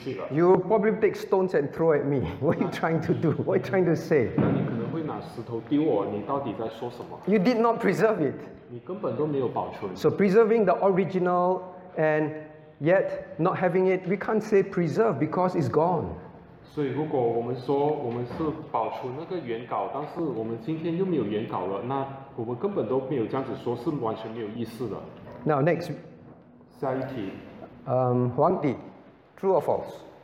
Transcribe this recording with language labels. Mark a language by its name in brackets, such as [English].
[English] you probably take stones and throw at me. What are you trying to do? What are you trying to say? [Chinese] 那你可能会拿石头丢我, 你到底在说什么? [English] You did not preserve it. [Chinese] 你根本都没有保存. [English] So preserving the original and yet, not having it, we can't say preserve because it's gone. [Chinese] 所以如果我们说我们是保存那个原稿, 但是我们今天又没有原稿了, 那我们根本都没有这样子说,是完全没有意思的. [English] Now, next. [Chinese] 下一题. [English] Huang Di, true or false?